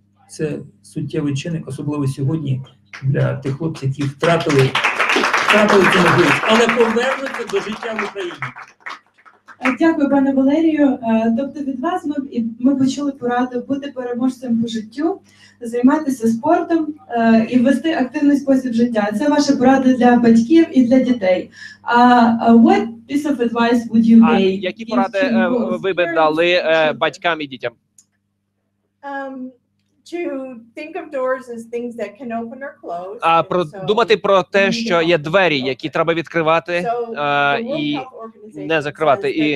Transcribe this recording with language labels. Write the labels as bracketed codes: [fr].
[uk] Це суттєвий чинник, особливо сьогодні, для тих хлопців, які втратили цю можливість, але повернуться до життя в Україні. Дякую, пане Валерію. Тобто від вас ми почули пораду бути переможцем по життю, займатися спортом і вести активний спосіб життя. Це ваша порада для батьків і для дітей. [en] What piece of advice would you make? [uk] Які поради ви би дали батькам і дітям? [en] To think of doors as things that can open or close. [uk] А про думати про те, що є двері, які треба відкривати і не закривати.